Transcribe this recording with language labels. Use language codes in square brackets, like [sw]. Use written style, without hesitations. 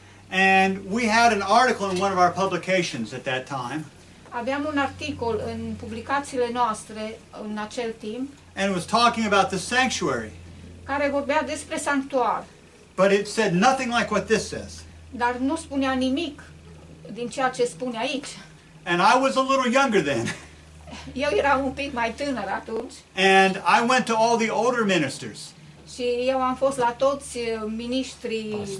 [en] And we had an article in one of our publications at that time. [ro] Aveam un articol în publicațiile noastre în acel timp. [en] And it was talking about the sanctuary. [ro] Care vorbea despre sanctuar. [en] But it said nothing like what this says. [ro] Dar nu spunea nimic din ceea ce spune aici. [en] And I was a little younger then. [ro] Eu eram un pic mai tânăr atunci. [en] And I went to all the older ministers. [ro] Și eu am fost la toți miniștri,